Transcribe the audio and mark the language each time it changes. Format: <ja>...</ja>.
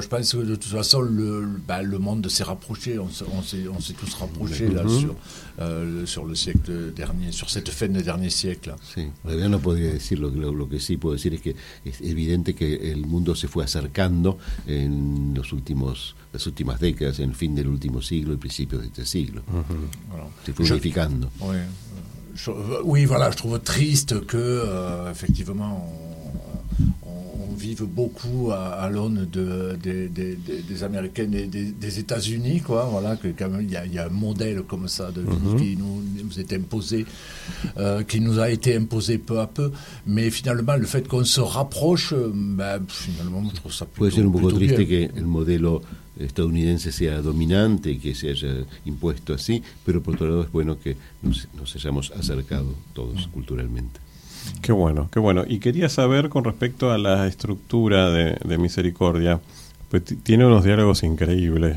<fr>Je pense que de toute façon le monde s'est rapproché, on s'est tous rapprochés sur le siècle dernier, sur cette fin de dernier siècle.</fr> <es>Sí, todavía no podría decir lo que sí puedo decir es que es evidente que el mundo se fue acercando en las últimas décadas, en el fin del último siglo y principios de este siglo. Se fue unificando.</es> <fr>Je trouve triste que effectivement on vive beaucoup à l'aune des Américains et des États-Unis, quoi. Voilà, que quand même il y a un modèle comme ça de vie qui nous est imposé, qui nous a été imposé peu à peu. Mais finalement, le fait qu'on se rapproche, finalement, je trouve ça plutôt bien.</fr> <es>Puede ser un poco triste que el modelo estadounidense sea dominante y que se haya impuesto así, pero por otro lado es bueno que nos hayamos acercado todos culturalmente. Qué bueno, qué bueno. Y quería saber con respecto a la estructura de Misericordia, pues tiene unos diálogos increíbles.</es>